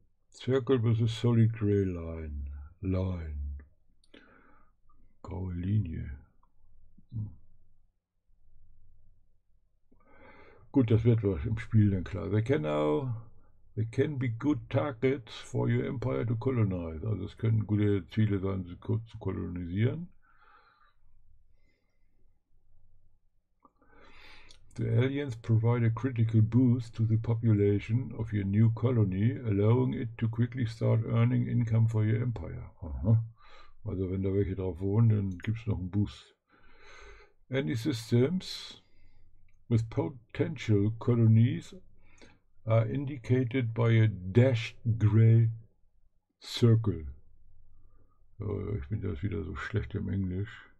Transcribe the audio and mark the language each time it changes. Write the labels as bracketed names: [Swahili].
[English] Circle versus Solid Gray Line. Line. [German] Graue Linie. Gut, das wird was im Spiel dann klar. [English] They can be good targets for your empire to colonize. [German] Also es können gute Ziele sein, sie kurz zu kolonisieren. [English] The aliens provide a critical boost to the population of your new colony, allowing it to quickly start earning income for your empire. [German] Also wenn da welche drauf wohnen, dann gibt es noch einen Boost. [English] Any systems with potential colonies are indicated by a dashed gray circle. [German] Oh, ich bin das wieder so schlecht im Englisch.